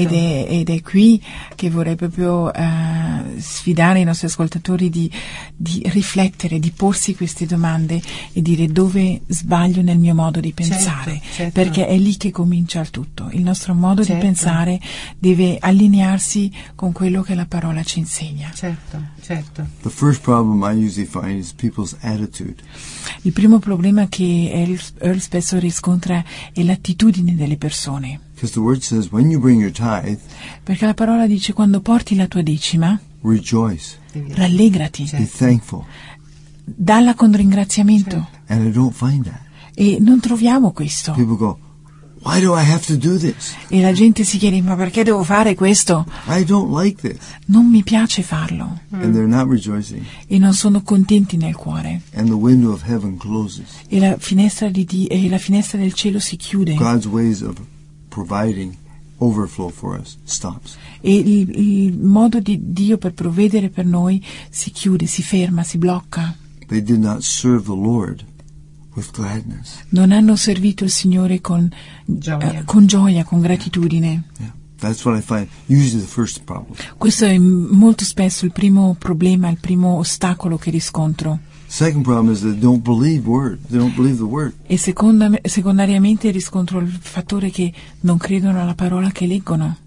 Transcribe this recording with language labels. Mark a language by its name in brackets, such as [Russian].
[Italian] ed è qui che vorrei proprio sfidare i nostri ascoltatori di riflettere, di porsi queste domande e dire dove sbaglio nel mio modo di pensare, certo. Perché è lì che comincia il tutto. Il nostro modo di pensare deve allinearsi con quello che la parola ci insegna. Certo. [English] The first problem I usually find is people's attitude. [Italian] Il primo problema che Earl spesso riscontra è l'attitudine delle persone. [English] Because the word says when you bring your tithe, [Italian] perché la parola dice quando porti la tua decima, [English] rejoice, [Italian] rallegrati, [English] be thankful, [Italian] dalla con ringraziamento. [English] And I don't find that. [Italian] E non troviamo questo. [English] People go, why do I have to do this? [Italian] E la gente si chiede, ma perché devo fare questo? [English] I don't like this. [Italian] Non mi piace farlo. [English] And they're not rejoicing. [Italian] E non sono contenti nel cuore. [English] And the window of heaven closes. [Italian] E la finestra del cielo si chiude. [English] God's ways of providing overflow for us stops. [Italian] E il modo di Dio per provvedere per noi si chiude, si ferma, si blocca. [English] They did not serve the Lord with gladness. [Italian] Non hanno servito il Signore con gioia, con gratitudine. [English] Yeah. That's what I find usually the first problem. [Italian] Questo è molto spesso il primo problema, il primo ostacolo che riscontro. [English] Second problem is they don't believe word. They don't believe the word. [Italian] E secondariamente riscontro il fattore che non credono alla parola che leggono.